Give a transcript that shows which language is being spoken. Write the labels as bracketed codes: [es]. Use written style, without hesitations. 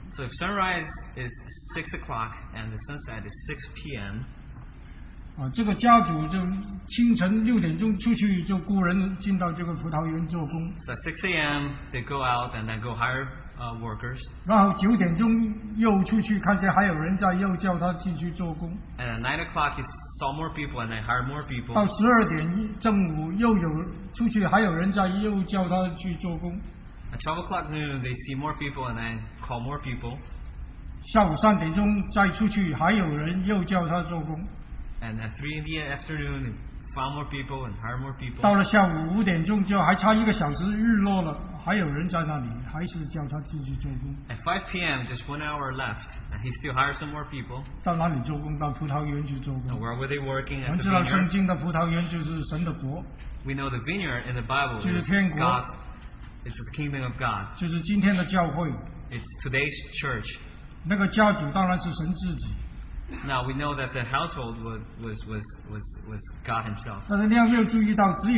[en] So if sunrise is 6 o'clock and the sunset is 6 p.m. [zh] 这个家族就清晨6点钟出去就雇人进到这个葡萄园做工 [en] So 6 a.m. they go out and then go hire workers [zh] 然后9点钟又出去看见还有人在又叫他进去做工 [en] And at 9 o'clock he saw more people and then hired more people [zh] 到12点正午又有出去还有人在又叫他去做工 [en] At 12 o'clock noon they see more people and then call more people [zh] 下午3点钟再出去还有人又叫他做工 [en] And at 3 in the afternoon, find more people and hire more people. [zh] 到了下午5点钟就还差一个小时日落了，还有人在那里，还是叫他继续做工。 [en] At 5 p.m., just 1 hour left, and he still hires some more people. [zh] 到哪里做工？到葡萄园去做工。 [en] And where were they working at the [zh] 我们知道圣经的葡萄园就是神的国。 [en] We know the vineyard in the Bible is God. It's the kingdom of God. [zh] 就是今天的教会。 [en] It's today's church. [zh] 那个教主当然是神自己。 [en] Now we know that the household was God Himself.